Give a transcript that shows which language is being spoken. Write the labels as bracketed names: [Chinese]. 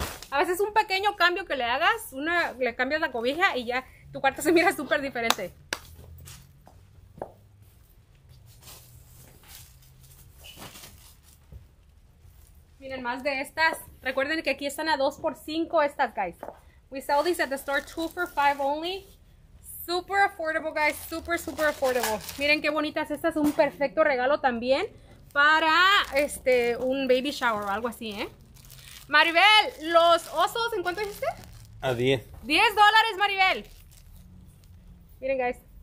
[Spanish] A veces un pequeño cambio que le hagas, le cambias la cobija y ya tu cuarto se mira súper diferente. Miren, más de estas. Recuerden que aquí están a 2x5 estas, guys. [English] We sell these at the store 2x5 only. Super affordable, guys. Super, super affordable. [Spanish] Miren qué bonitas. Estas es un perfecto regalo también para un baby shower o algo así, ¿eh? Maribel, los osos, ¿en cuánto dijiste? A 10. $10, Maribel. Miren, guys.